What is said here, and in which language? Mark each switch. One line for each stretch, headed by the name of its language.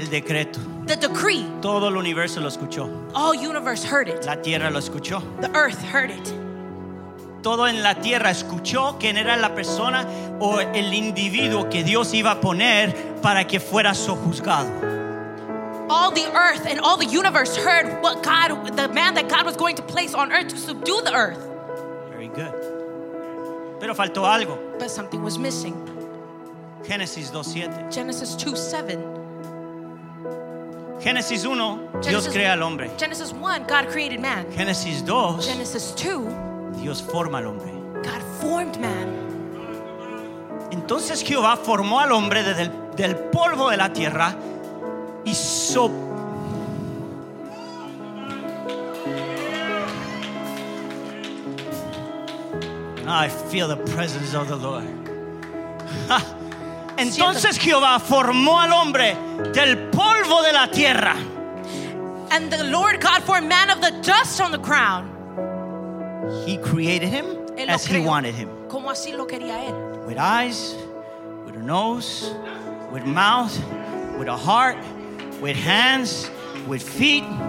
Spanish: El decreto.
English: The decree.
Spanish: Todo el universo lo escuchó.
English: All universe heard it.
Spanish: La tierra lo escuchó.
English: The earth heard it.
Spanish: Todo en la tierra escuchó quién era la persona o el individuo que Dios iba a poner para que fuera sojuzgado.
English: All the earth and all the universe heard what God, the man that God was going to place on earth to subdue the earth. Very good.
Spanish: Pero faltó algo.
English: But something was missing.
Spanish: Genesis 2:7.
English: Genesis 2:7.
Spanish: Genesis 1, Dios crea al hombre.
English: Genesis 1, God created man.
Spanish: Genesis 2.
English: Genesis 2.
Spanish: Dios forma al hombre.
English: God formed man.
Spanish: Entonces Jehová formó al hombre desde del polvo de la tierra y sopló.
English: I feel the presence of the Lord.
Spanish: Entonces Jehová formó al hombre del polvo de la tierra.
English: And the Lord God formed man of the dust on the ground. He created him as he wanted him.
Spanish: Como así lo quería él.
English: With eyes, with a nose, with mouth, with a heart, with hands, with feet,